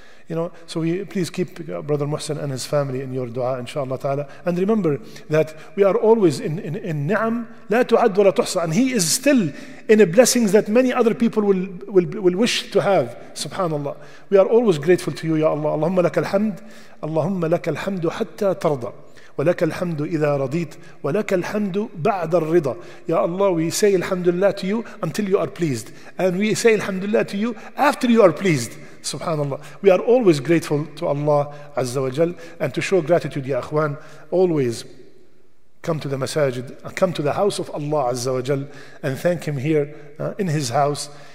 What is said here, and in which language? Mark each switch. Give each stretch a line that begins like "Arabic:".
English: You know, so we please keep Brother Muhsin and his family in your dua, inshaAllah ta'ala. And remember that we are always in ni'am,
Arabic: la tu'ad wa la tuhsa.
English: And he is still in a blessings that many other people will wish to have, subhanAllah. We are always grateful to you, ya Allah.
Arabic: Allahumma laka alhamd, Allahumma laka alhamdu hatta tarda. ولك الحمد إذا رضيت ولك الحمد بعد الرضا.
English: Ya Allah, we say alhamdulillah to you until you are pleased, and we say alhamdulillah to you after you are pleased. Subhanallah. We are always grateful to Allah Azza wa Jal, and to show gratitude, ya akhwan, always come to the masajid, come to the house of Allah Azza wa Jal, and thank Him here in His house.